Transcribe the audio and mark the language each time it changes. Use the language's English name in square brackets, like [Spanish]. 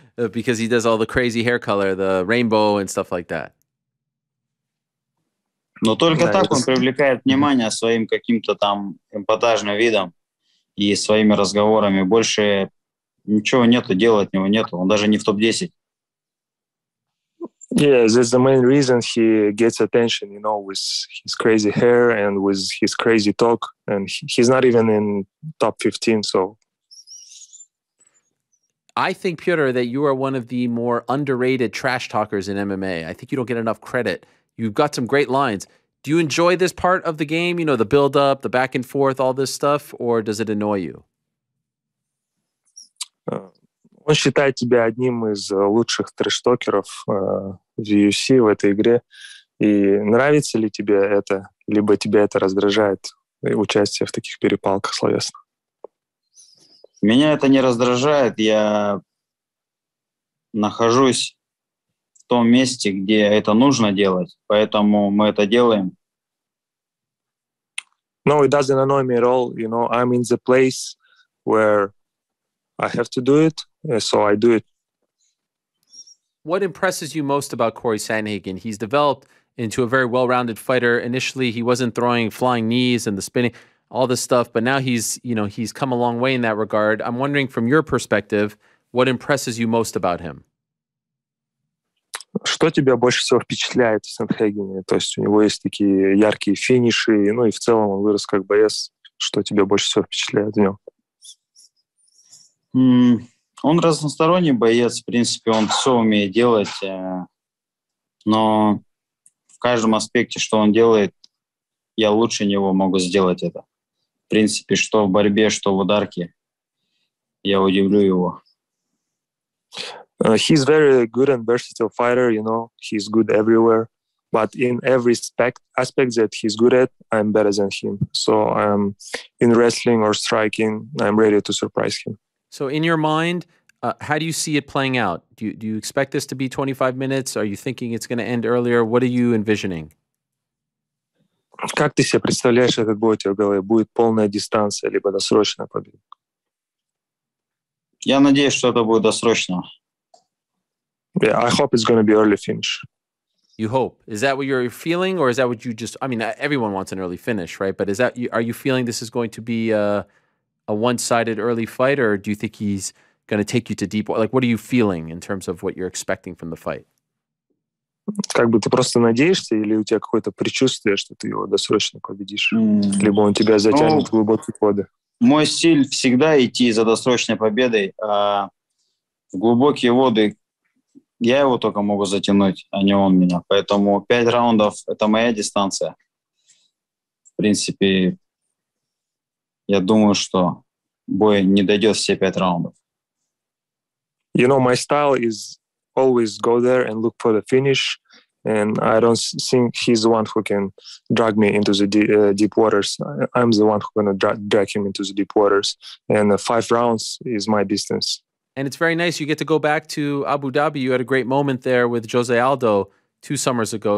[English] Because he does all the crazy hair color, the rainbow and stuff like that. [Russian] Но только так он привлекает внимание своим каким-то там эмпатажным видом и своими разговорами. Больше ничего нету, дела от него нету. Он даже не в топ-10. [English] Yeah, that's the main reason he gets attention, you know, with his crazy hair and with his crazy talk. And he's not even in top-15, so... I think, Petr, that you are one of the more underrated trash talkers in MMA. I think you don't get enough credit. You've got some great lines. Do you enjoy this part of the game? You know, the build-up, the back and forth, all this stuff, or does it annoy you? [Russian] Он считает тебя одним из лучших трэш-токеров в UFC в этой игре. И нравится ли тебе это, либо тебя это раздражает, участие в таких перепалках словесных? Меня это не раздражает. Я нахожусь в том месте, где это нужно делать, поэтому мы это делаем. [English] No, it doesn't annoy me at all. You know, I'm in the place where I have to do it, so I do it. What impresses you most about Cory Sandhagen? He's developed into a very well-rounded fighter. Initially, he wasn't throwing flying knees and the spinning, all this stuff, but now he's come a long way in that regard. I'm wondering, from your perspective, what impresses you most about him? [Russian] Что тебя больше всего впечатляет в Сандхагене? То есть у него есть такие яркие финиши, ну и в целом он вырос как боец. Что тебя больше всего впечатляет в нем? Он разносторонний боец, в принципе, он все умеет делать, но в каждом аспекте, что он делает, я лучше него могу сделать это. В принципе, что в борьбе, что в ударке, я удивлю его. [English] He's very good and versatile fighter, you know, he's good everywhere, but in every aspect that he's good at, I'm better than him. So in wrestling or striking, I'm ready to surprise him. So in your mind, how do you see it playing out? Do you expect this to be 25 minutes? Are you thinking it's going to end earlier? What are you envisioning? [Russian] Как ты себе представляешь этот бой у тебя в голове? Будет полная дистанция, либо досрочная победа? Я надеюсь, что это будет досрочно. [English] Yeah, I hope it's going to be early finish. You hope. Is that what you're feeling, or is that what you just... I mean, everyone wants an early finish, right? But are you feeling this is going to be a one-sided early fight, or do you think he's going to take you to deep? Like, what are you feeling in terms of what you're expecting from the fight? [Russian] Как бы ты просто надеешься, или у тебя какое-то предчувствие, что ты его досрочно победишь? Либо он тебя затянет в глубокие воды? Мой стиль всегда идти за досрочной победой, а в глубокие воды... Я его только могу затянуть, а не он меня. Поэтому 5 раундов – это моя дистанция. В принципе, я думаю, что бой не дойдет все 5 раундов. [English] You know, my style is always go there and look for the finish. And I don't think he's the one who can drag me into the deep waters. I'm the one who's going to drag him into the deep waters. And 5 rounds is my distance. And it's very nice. You get to go back to Abu Dhabi. You had a great moment there with Jose Aldo 2 summers ago.